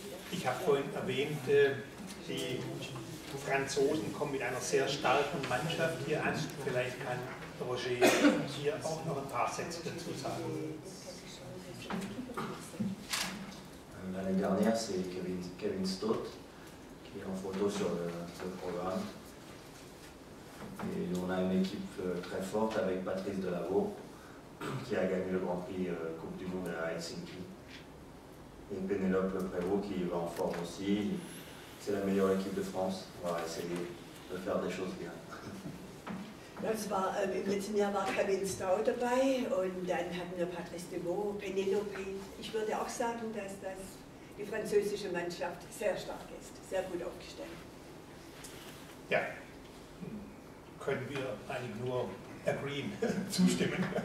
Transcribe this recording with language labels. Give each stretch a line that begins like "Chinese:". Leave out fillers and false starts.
German: Ich habe vorhin erwähnt, die Franzosen kommen mit einer sehr starken Mannschaft hier an. Vielleicht kann Roger hier auch noch ein paar Sätze dazu sagen.
French: L'année dernière, c'est Kevin Stott qui est en photo sur le programme. Et on a une équipe très forte avec Patrice Delavaux qui a gagné le Grand Prix Coupe du Monde à Helsinki. Et Pénélope Prévost qui va en forme aussi. C'est la meilleure équipe de France. On va essayer de faire des choses bien.
German: Das war, im letzten Jahr war Kevin Stau dabei und dann hatten wir Patrice Devaux, Penelope. Ich würde auch sagen, dass das die französische Mannschaft sehr stark ist, sehr gut aufgestellt. Ja, können wir eigentlich nur agreeen, zustimmen.